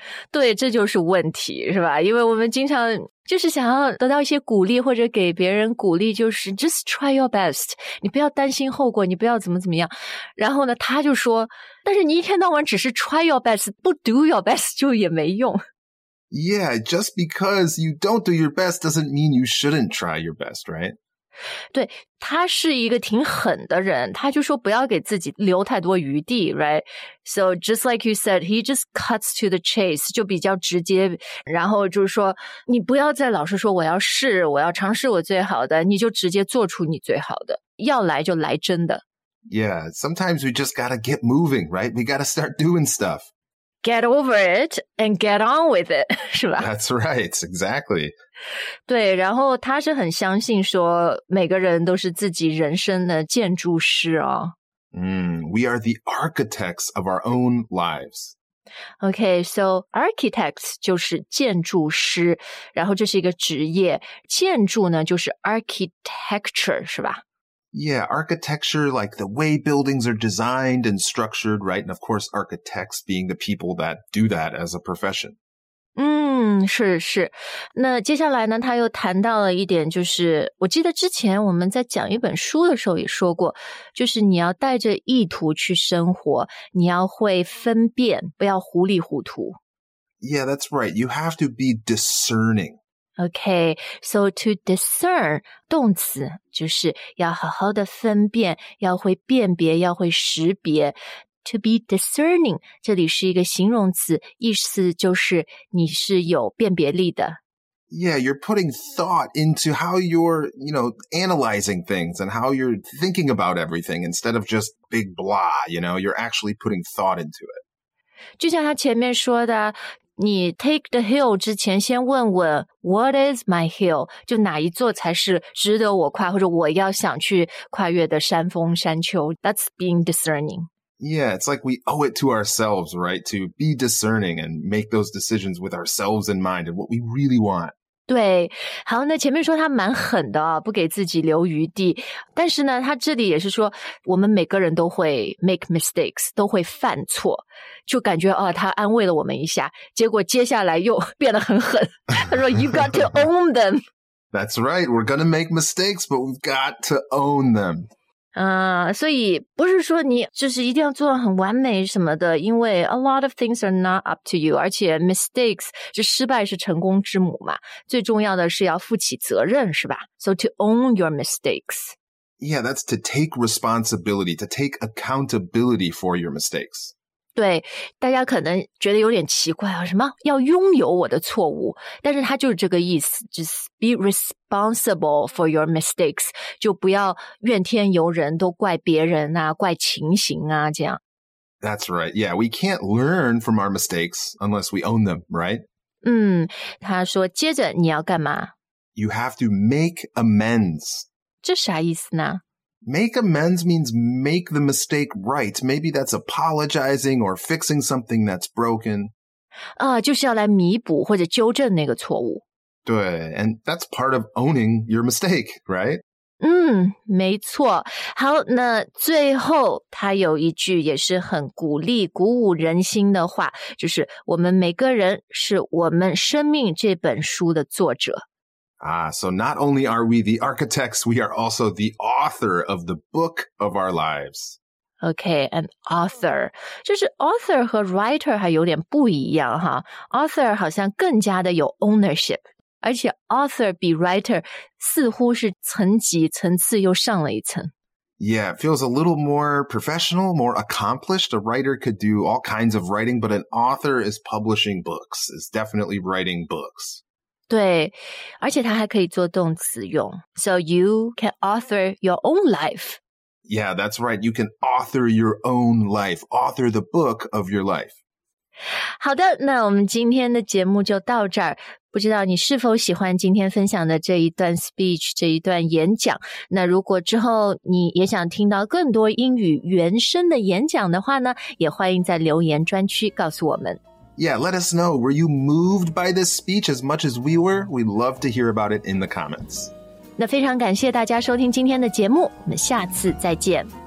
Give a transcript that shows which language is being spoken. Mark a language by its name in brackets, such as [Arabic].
[Chinese] 对，这就是问题，是吧？因为我们经常就是想要得到一些鼓励，或者给别人鼓励，就是 [English] just try your best， [Chinese] 你不要担心后果，你不要怎么怎么样。然后呢，他就说，但是你一天到晚只是 [English] try your best， [Chinese] 不 [English] do your best [Chinese] 就也没用。 [English] Yeah, just because you don't do your best doesn't mean you shouldn't try your best, right? [Chinese] 对，他是一个挺狠的人，他就说不要给自己留太多余地 ， [English] right? So just like you said, he just cuts to the chase, [Chinese] 就比较直接。然后就是说，你不要再老是说我要试，我要尝试我最好的，你就直接做出你最好的，要来就来真的。 [English] Yeah, sometimes we just gotta get moving, right? We gotta start doing stuff. Get over it and get on with it, [Chinese] 是吧 [English] ？That's right, exactly. [Chinese] 对，然后他是很相信说每个人都是自己人生的建筑师哦。 [English] We are the architects of our own lives. [Chinese] Okay, so architects 就是建筑师，然后这是一个职业，建筑呢就是 architecture, 是吧？ [English] Yeah, architecture, like the way buildings are designed and structured, right? And of course, architects being the people that do that as a profession. [Chinese] 是是，那接下来呢他又谈到了一点，就是我记得之前我们在讲一本书的时候也说过，就是你要带着意图去生活，你要会分辨，不要糊里糊涂。 [English] Yeah, that's right. You have to be discerning. [Chinese] Okay, so [English] to discern, [Chinese] 动词就是要好好的分辨，要会辨别，要会识别。 [English] To be discerning, [Chinese] 这里是一个形容词，意思就是你是有辨别力的。 [English] Yeah, you're putting thought into how you're, you know, analyzing things and how you're thinking about everything instead of just big blah, you know, you're actually putting thought into it. [Chinese] 就像他前面说的，你 [English] take the hill [Chinese] 之前先问问 [English] what is my hill? [Chinese] 就哪一座才是值得我跨或者我要想去跨越的山峰山丘。 [English] That's being discerning. Yeah, it's like we owe it to ourselves, right? To be discerning and make those decisions with ourselves in mind and what we really want. [Chinese] 对，好，那前面说他蛮狠的，不给自己留余地。但是呢，他这里也是说，我们每个人都会 [English] make mistakes, [Chinese] 都会犯错。就感觉，哦，他安慰了我们一下，结果接下来又变得很狠。他说， [English] You got to own them. That's right, we're gonna make mistakes, but we've got to own them. [Chinese] 所以不是说你就是一定要做得很完美什么的，因为 [English] a lot of things are not up to you, [Chinese] 而且 mistakes, 就失败是成功之母嘛，最重要的是要负起责任，是吧？ [English] So to own your mistakes. Yeah, that's to take responsibility, to take accountability for your mistakes. [Chinese] 对，大家可能觉得有点奇怪啊，什么要拥有我的错误，但是它就是这个意思，就是 [English] be responsible for your mistakes， [Chinese] 就不要怨天尤人，都怪别人啊，怪情形啊，这样。 [English] That's right. Yeah, we can't learn from our mistakes unless we own them, right? [Chinese] 嗯，他说接着你要干嘛？ [English] You have to make amends. [Chinese] 这啥意思呢？ [English] Make amends means make the mistake right. Maybe that's apologizing or fixing something that's broken. [Chinese] 啊，就是要来弥补或者纠正那个错误。对， [English] and that's part of owning your mistake, right? [Chinese] 嗯，没错。好，那最后他有一句也是很鼓励、鼓舞人心的话，就是我们每个人是我们生命这本书的作者。 [English] So not only are we the architects, we are also the author of the book of our lives. Okay, an author. [Chinese] 就是 author 和 writer 还有点不一样哈。 Author 好像更加的有 ownership， 而且 author 比 writer 似乎是层级层次又上了一层。 [English] Yeah, it feels a little more professional, more accomplished. A writer could do all kinds of writing, but an author is publishing books, is definitely writing books. [Chinese] 对，而且它还可以做动词用。 [English] So you can author your own life. Yeah, that's right. You can author your own life. Author the book of your life. [Chinese] 好的，那我们今天的节目就到这儿。不知道你是否喜欢今天分享的这一段 speech， 这一段演讲。那如果之后你也想听到更多英语原声的演讲的话呢，也欢迎在留言专区告诉我们。 [English] Yeah, let us know. Were you moved by this speech as much as we were? We'd love to hear about it in the comments. [Chinese] 那非常感谢大家收听今天的节目，我们下次再见。